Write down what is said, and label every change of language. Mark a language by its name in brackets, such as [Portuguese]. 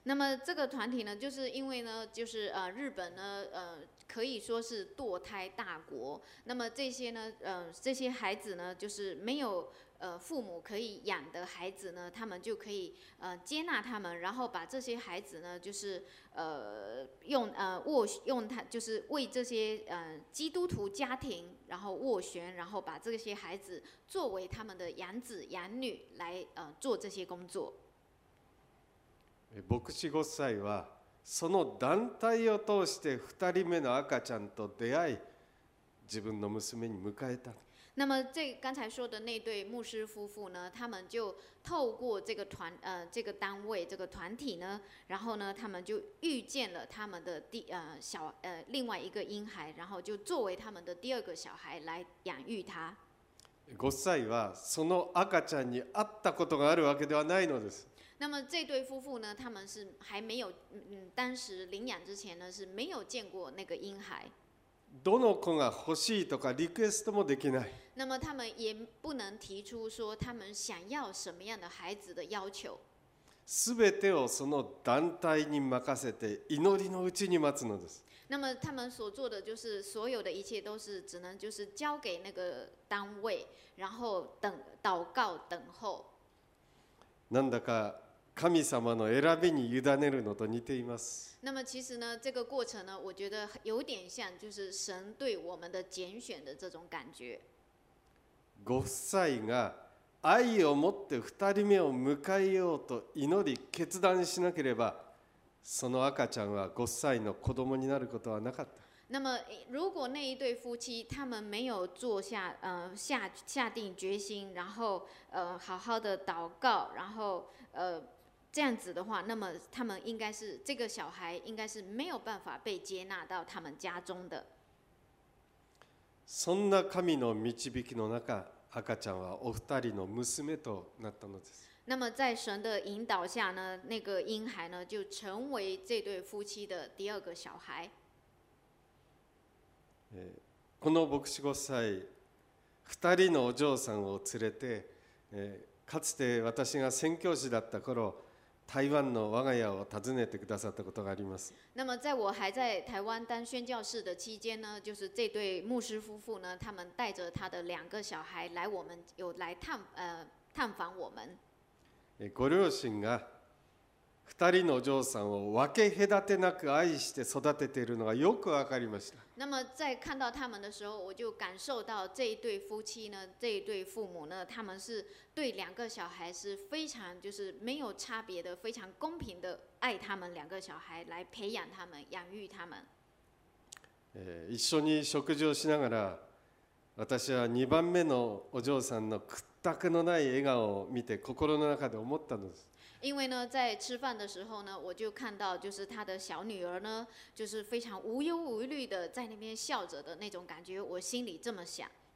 [Chinese] 那么这个团体呢，就是因为呢，就是日本呢，可以说是堕胎大国。那么这些呢，这些孩子呢，就是没有父母可以养的孩子呢，他们就可以接纳他们，然后把这些孩子呢，就是用他就是为这些基督徒家庭，然后斡旋，然后把这些孩子作为他们的养子养女来做这些工作。 [Japanese] 牧师ご夫妻はその団体を通して二人目の赤ちゃんと出会い、自分の娘に迎えた。 [Chinese] 那么这刚才说的那对牧师夫妇呢，他们就透过这个单位这个团体呢，然后呢他们就遇见了他们的另外一个婴孩，然后就作为他们的第二个小孩来养育他。 [Japanese] ご夫妻はその赤ちゃんに会ったことがあるわけではないのです。 [Chinese] 那么这对夫妇呢，他们是还没有当时领养之前呢是没有见过那个婴孩。 [Japanese] どの子が欲しいとかリクエストもできない。 [Chinese] 那么他们也不能提出说他们想要什么样的孩子的要求。 [Japanese] すべてをその団体に任せて祈りのうちに待つのです。 [Chinese] 那么他们所做的就是所有的一切都是只能就是交给那个单位，然后等祷告等候。 [Japanese] なんだか神様の選びに委ねるのと似ています。 [Chinese] 那么其实呢，这个过程呢，我觉得有点像就是神对我们的拣选的这种感觉。 [Japanese] ご夫妻が愛を持って二人目を迎えようと祈り決断しなければ、その赤ちゃんはご夫妻の子供になることはなかった。 [Chinese] 那么如果那一对夫妻他们没有做 下定决心，然后好好的祷告，然后这样子的话，那么他们应该是这个小孩应该是没有办法被接纳到他们家中的。 [Japanese] そんな神の導きの中、赤ちゃんはお二人の娘となったのです。 [Chinese] 那么在神的引导下呢，那个婴孩呢就成为这对夫妻的第二个小孩。 [Japanese] この牧師ご夫妻、二人のお嬢さんを連れて、かつて私が宣教師だった頃、台湾の我が家を訪ねてくださったことがあります。 [Chinese] 那么在我还在台湾当宣教士的期间呢，就是这对牧师夫妇呢，他们带着他的两个小孩来我们有来探探访我们。 [Japanese] ご両親が二人のお嬢さんを分け隔てなく愛して育てているのがよく分かりました。 [Chinese] 那么在看到他们的时候，我就感受到这一对夫妻呢，这一对父母呢，他们是对两个小孩是非常就是没有差别的，非常公平的爱他们两个小孩，来培养他们，养育他们。 [Japanese] 一緒に食事をしながら、私は二番目のお嬢さんの屈託のない笑顔を見て心の中で思ったのです。 [Chinese] 因为呢，在吃饭的时候呢，我就看到就是他的小女儿呢，就是非常无忧无虑的在那边笑着的那种感觉，我心里这么想。